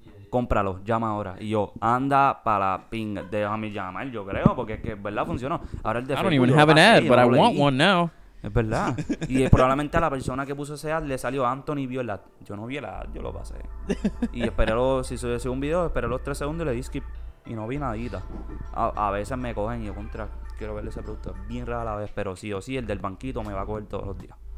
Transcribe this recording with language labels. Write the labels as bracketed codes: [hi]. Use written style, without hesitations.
[es] Cómpralo, llama ahora. Y yo, anda para la pinga, déjame llamar, yo creo, porque es que es verdad, funcionó. Ahora el de [en] I don't even have an ad, but I want one now. [es] Es verdad. Y probablemente a la persona que puso ese ad le salió Anthony vio el ad. Yo no vi el ad, yo lo pasé. Y esperé si se hizo un video, esperé los 3 segundos y le di skip. Y no vi nadita. A veces me cogen y yo contra, quiero verle ese producto. Bien raro a la vez, pero sí o sí, el del banquito me va a coger todos los días.